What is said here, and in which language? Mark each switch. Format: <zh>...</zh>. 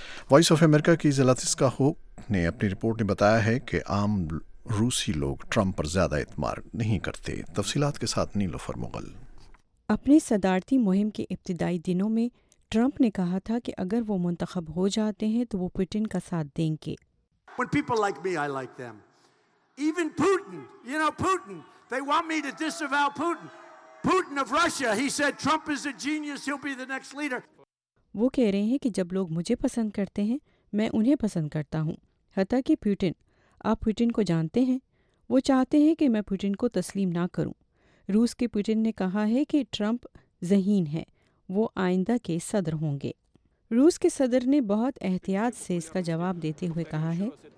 <ur>Voice of America کی زلاتسکا ہوک نے اپنی رپورٹ میں بتایا ہے کہ عام روسی لوگ ٹرمپ پر زیادہ اعتماد نہیں کرتے. تفصیلات کے ساتھ نیلوفر مغل. اپنی صدارتی مہم کے ابتدائی دنوں میں ٹرمپ نے کہا تھا کہ اگر وہ منتخب ہو جاتے ہیں تو وہ پوٹن کا ساتھ دیں گے.</ur> <en>When people like me, I like them. Even Putin, you know Putin, they want me to disavow Putin. Putin of Russia, he said Trump is a genius, he'll be the next leader.</en> <ur>وہ کہہ رہے ہیں کہ جب لوگ مجھے پسند کرتے ہیں میں انہیں پسند کرتا ہوں, حتیٰ کہ پوٹن, آپ پوٹن کو جانتے ہیں, وہ چاہتے ہیں کہ میں پوٹن کو تسلیم نہ کروں. روس کے پوٹن نے کہا ہے کہ ٹرمپ ذہین ہے, وہ آئندہ کے صدر ہوں گے. روس کے صدر نے بہت احتیاط سے اس کا جواب دیتے ہوئے کہا ہے</ur>